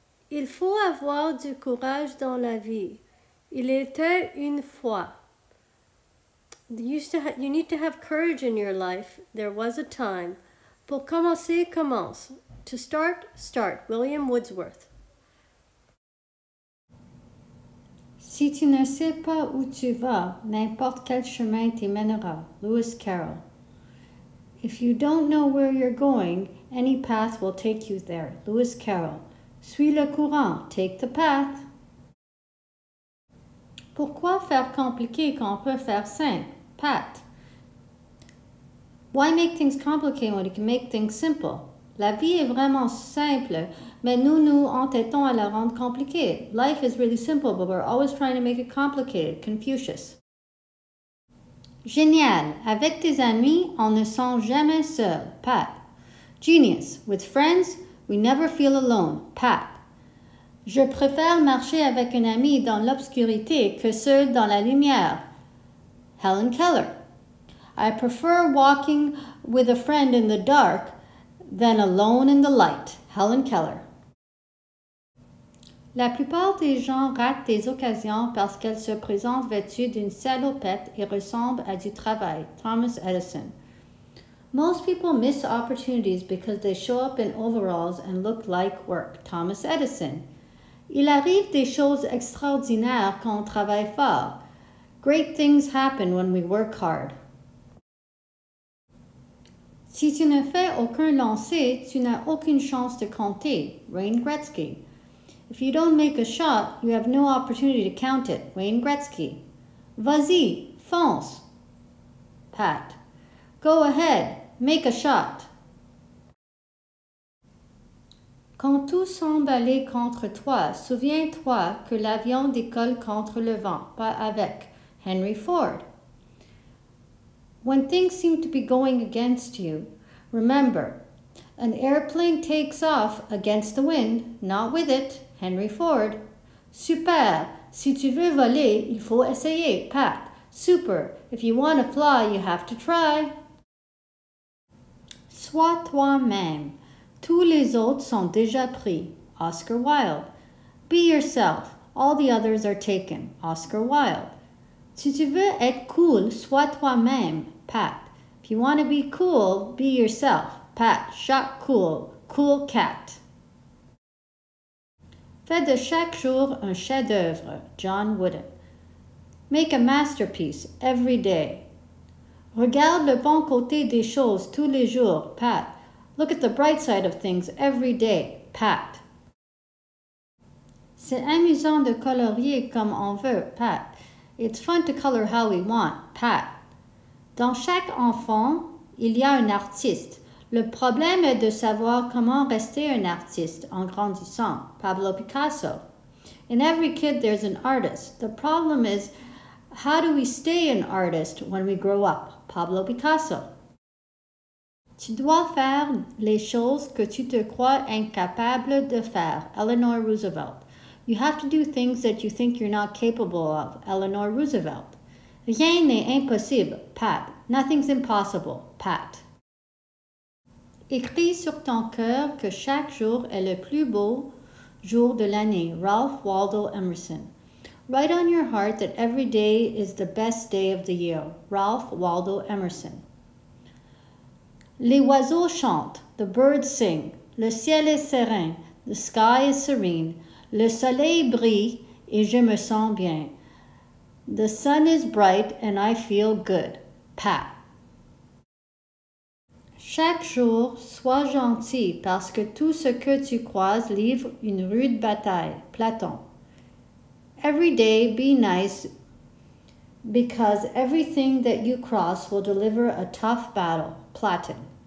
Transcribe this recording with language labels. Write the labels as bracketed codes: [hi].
[fr] Il faut avoir du courage dans la vie. Il était une fois. [en] You need to have courage in your life. There was a time. [fr] Pour commencer, commence. [en] To start, start. William Wordsworth. [fr] Si tu ne sais pas où tu vas, n'importe quel chemin t'y mènera. Lewis Carroll. [en] If you don't know where you're going, any path will take you there. Lewis Carroll. [fr] Suis le courant, [en] take the path. [fr] Pourquoi faire compliqué quand on peut faire simple? Pat. [en] Why make things complicated when you can make things simple? [fr] La vie est vraiment simple, mais nous nous entêtons à la rendre compliquée. [en] Life is really simple, but we're always trying to make it complicated. Confucius. [fr] Génial, avec tes amis, on ne sent jamais seul. Pat. [en] Genius, with friends, we never feel alone. Pat. [fr] Je préfère marcher avec un ami dans l'obscurité que seul dans la lumière. Helen Keller. [en] I prefer walking with a friend in the dark than alone in the light. Helen Keller. [fr] La plupart des gens ratent des occasions parce qu'elles se présentent vêtues d'une salopette et ressemblent à du travail. Thomas Edison. [en] Most people miss opportunities because they show up in overalls and look like work. Thomas Edison. [fr] Il arrive des choses extraordinaires quand on travaille fort. [en] Great things happen when we work hard. [fr] Si tu ne fais aucun lancer, tu n'as aucune chance de compter. Wayne Gretzky. [en] If you don't make a shot, you have no opportunity to count it. Wayne Gretzky. [fr] Vas-y, fonce. Pat. [en] Go ahead, make a shot. [fr] Quand tout semble aller contre toi, souviens-toi que l'avion décolle contre le vent, pas avec. Henry Ford. [en] When things seem to be going against you, remember, an airplane takes off against the wind, not with it. Henry Ford. [fr] Super, si tu veux voler, il faut essayer. Pat. [en] Super, if you want to fly, you have to try. [fr] Sois toi-même. Tous les autres sont déjà pris. Oscar Wilde. [en] Be yourself. All the others are taken. Oscar Wilde. [fr] Si tu veux être cool, sois toi-même. Pat. [en] If you want to be cool, be yourself. Pat. Shot cool. Cool cat. [fr] Fais de chaque jour un chef-d'œuvre. John Wooden. [en] Make a masterpiece every day. [fr] Regarde le bon côté des choses tous les jours, Pat. [en] Look at the bright side of things every day, Pat. [fr] C'est amusant de colorier comme on veut, Pat. [en] It's fun to color how we want, Pat. [fr] Dans chaque enfant, il y a un artiste. Le problème est de savoir comment rester un artiste en grandissant, Pablo Picasso. [en] In every kid, there's an artist. The problem is, how do we stay an artist when we grow up? Pablo Picasso. [fr] Tu dois faire les choses que tu te crois incapable de faire. Eleanor Roosevelt. [en] You have to do things that you think you're not capable of. Eleanor Roosevelt. [fr] Rien n'est impossible, Pat. [en] Nothing's impossible, Pat. [fr] Écris sur ton cœur que chaque jour est le plus beau jour de l'année, Ralph Waldo Emerson. [en] Write on your heart that every day is the best day of the year, Ralph Waldo Emerson. [fr] Les oiseaux chantent, [en] the birds sing, [fr] le ciel est serein, [en] the sky is serene, [fr] le soleil brille et je me sens bien. [en] The sun is bright and I feel good, Pat. [fr] Chaque jour, sois gentil parce que tout ce que tu croises livre une rude bataille, Platon. [en] Every day, be nice because everything that you cross will deliver a tough battle, Platon.